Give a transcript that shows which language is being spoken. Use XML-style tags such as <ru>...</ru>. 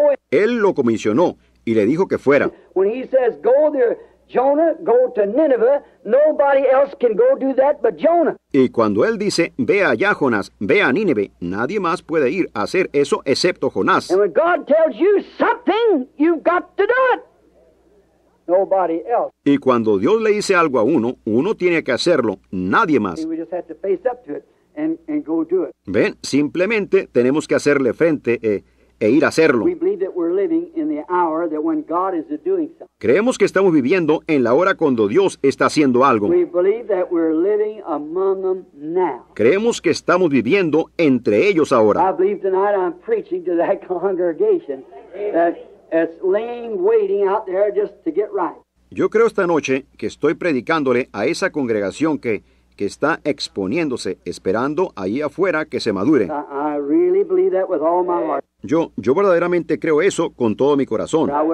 <es>Él lo comisionó y le dijo que fuera.</es> <en>When he says, go there, Jonah, go to Nineveh. Nobody else can go do that but Jonah.</en> <es>Y cuando él dice, ve allá, Jonás, ve a Nínive, nadie más puede ir a hacer eso excepto Jonás.</es> <en>And when God tells you something, you've got to do it. Nobody else.</en> <es>Y cuando Dios le dice algo a uno, uno tiene que hacerlo, nadie más.</es> <en>We just have to face up to it and go do it.</en> <es>Ven, simplemente tenemos que hacerle frente e ir a hacerlo.</es> <en>We believe that we're living in the hour that when God is doing something.</en> <es>Creemos que estamos viviendo en la hora cuando Dios está haciendo algo.</es> <en>We believe that we're living among them now.</en> <es>Creemos que estamos viviendo entre ellos ahora.</es> <en>I believe tonight I'm preaching to that congregation that's laying waiting out there just to get right.</en> <es>Yo creo esta noche que estoy predicándole a esa congregación que está exponiéndose, esperando ahí afuera que se madure.</es> <en>I really believe that with all my heart.</en> <es>Yo verdaderamente creo eso con todo mi corazón.</es>